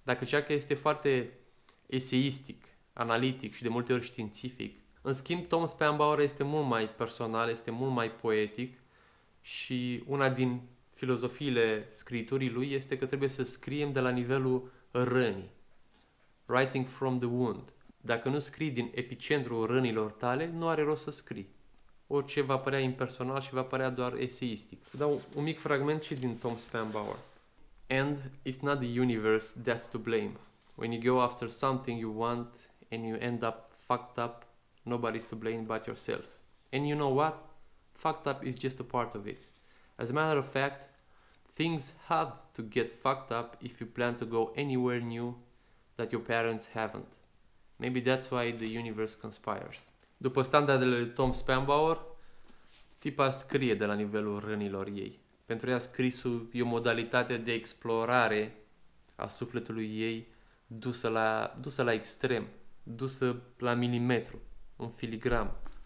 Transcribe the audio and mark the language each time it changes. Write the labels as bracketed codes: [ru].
[ro] Dacă Chuck este foarte eseistic, analitic și de multe ori științific, în schimb Tom Spanbauer este mult mai personal, este mult mai poetic și una din filozofiile scriturii lui este că trebuie să scriem de la nivelul rănii. [en] Writing from the wound. [ro] Dacă nu scrii din epicentrul rănilor tale, nu are rost să scrii. Orice va părea impersonal și va părea doar eseistic. Dau un mic fragment și din Tom Spanbauer. [en] And it's not the universe that's to blame. When you go after something you want and you end up fucked up, nobody's to blame but yourself. And you know what? Fucked up is just a part of it. As a matter of fact, things have to get fucked up if you plan to go anywhere new that your parents haven't. Maybe that's why the universe conspires. [ro] După standardele lui Tom Spanbauer, tipa scrie de la nivelul rănilor ei. Pentru ea, scrisul e o modalitate de explorare a sufletului ei dusă la extrem, dusă la milimetru, un filigram.